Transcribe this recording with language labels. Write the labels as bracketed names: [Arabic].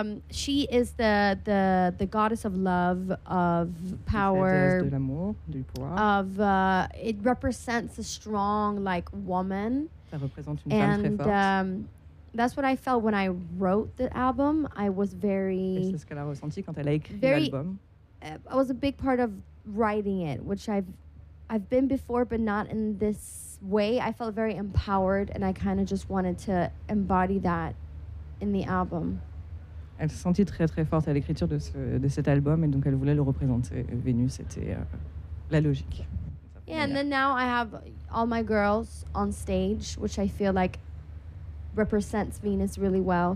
[English] She is the goddess of love, of power. [French] C'est la déesse de l'amour, du pouvoir. [English] Of, it represents a strong, like, woman. [French] Ça représente une femme très forte. [English] That's what I felt when I wrote the album. I was very... [French] Et c'est ce qu'elle a ressenti quand elle a écrit very, l'album. [English] I was a big part of writing it, which I've been before, but not in this way. I felt very empowered, and I kind of just wanted to embody that in the album. [French] Elle s'est sentie très, très forte à l'écriture de cet album, et donc elle voulait le représenter. Vénus, c'était la logique. [English] Yeah, and then now I have all my girls on stage, which I feel like represents Venus really well.